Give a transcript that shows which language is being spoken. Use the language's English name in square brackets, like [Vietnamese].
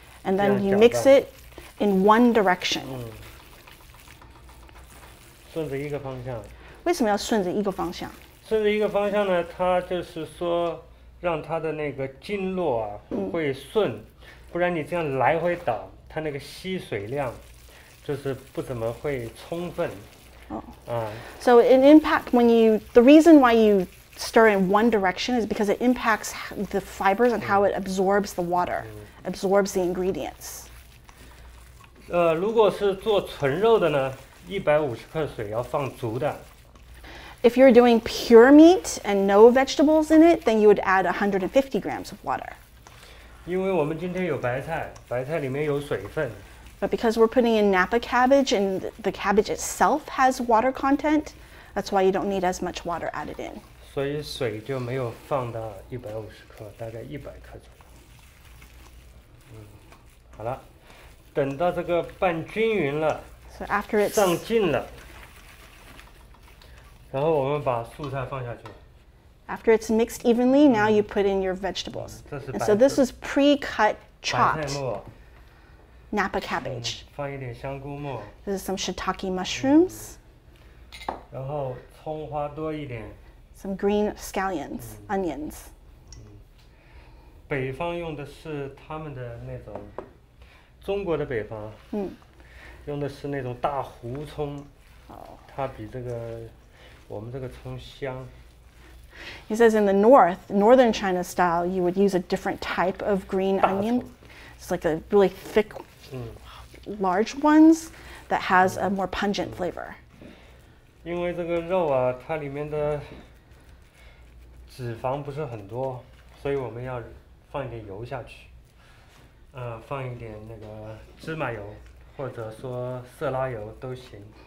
[English] And then you mix it in one direction. [Chinese] 顺着一个方向。为什么要顺着一个方向？顺着一个方向呢？它就是说，让它的那个经络啊会顺，不然你这样来回倒，它那个吸水量就是不怎么会充分。 [English] So it impacts when you, the reason why you stir in one direction is because it impacts the fibers and how it absorbs the water, absorbs the ingredients. [Chinese] 如果是做纯肉的呢，150克水要放足的。 [English] If you're doing pure meat and no vegetables in it, then you would add 150 grams of water. [Chinese] 因为我们今天有白菜，白菜里面有水分。 [English] But because we're putting in Napa cabbage and the cabbage itself has water content, that's why you don't need as much water added in. [Chinese] 所以水就没有放到150克，大概100克左右。好了，等到这个拌均匀了， [English] so after it's [Chinese] 上劲了，然后我们把素菜放下去。 [English] After it's mixed evenly, now you put in your vegetables. And so this is pre-cut chopped. [Chinese] 白菜末 [English] Napa cabbage. [Chinese] 放一点香菇末。 [English] This is some shiitake mushrooms. [Chinese] 然后葱花多一点。 [English] Some green scallions, onions. [Chinese] 北方用的是他们的那种，中国的北方，用的是那种大胡葱。它比这个我们这个葱香。 [English] He says in the north, northern China style, you would use a different type of green onion. It's like a really thick. Large ones that has a more pungent flavor. [Chinese] 因为这个肉啊，它里面的脂肪不是很多，所以我们要放一点油下去。放一点那个芝麻油，或者说色拉油都行。